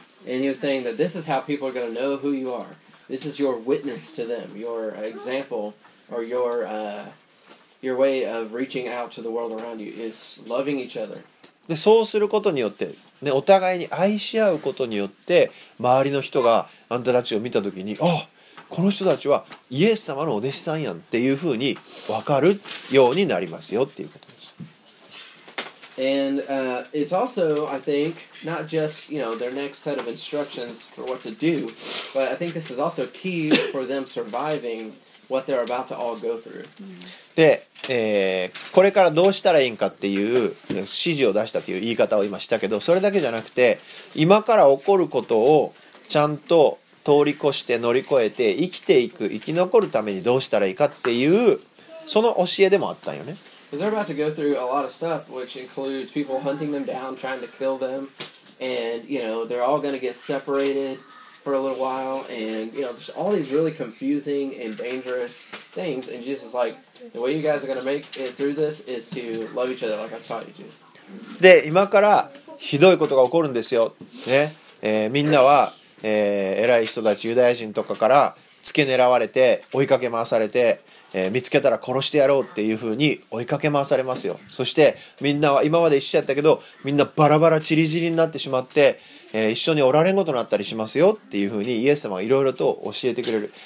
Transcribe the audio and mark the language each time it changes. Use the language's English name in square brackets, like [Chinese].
[English] And he was saying that this is how people are going to know who you are. This is your witness to them, your example or your way of reaching out to the world around you is loving each other. [Japanese] で、そうすることによって、ね、お互いに愛し合うことによって周りの人があんたたちを見た時に、あ、この人たちはイエス様のお弟子さんやんっていうふうに分かるようになりますよっていうこと。 [English] And it's also, I think, not just, you know, their next set of instructions for what to do, but I think this is also key for them surviving what they're about to all go through. [Japanese] で、これからどうしたらいいんかっていう指示を出したという言い方を今したけど、それだけじゃなくて、今から起こることをちゃんと通り越して乗り越えて生きていく、生き残るためにどうしたらいいかっていう、その教えでもあったんよね。 [English] Because they're about to go through a lot of stuff, which includes people hunting them down, trying to kill them, and you know they're all going to get separated for a little while, and you know just all these really confusing and dangerous things. And Jesus is like, the way you guys are going to make it through this is to love each other, like I taught you to. [Japanese] で、今からひどいことが起こるんですよ。ね、みんなは、偉い人たち、ユダヤ人とかから付け狙われて追いかけ回されて。見つけたら殺してやろうっていう風に追いかけ回されますよ。そしてみんなは今まで一緒やったけど、みんなバラバラチリジリになってしまって、一緒におられんことになったりしますよっていう風にイエス様はいろいろと教えてくれる。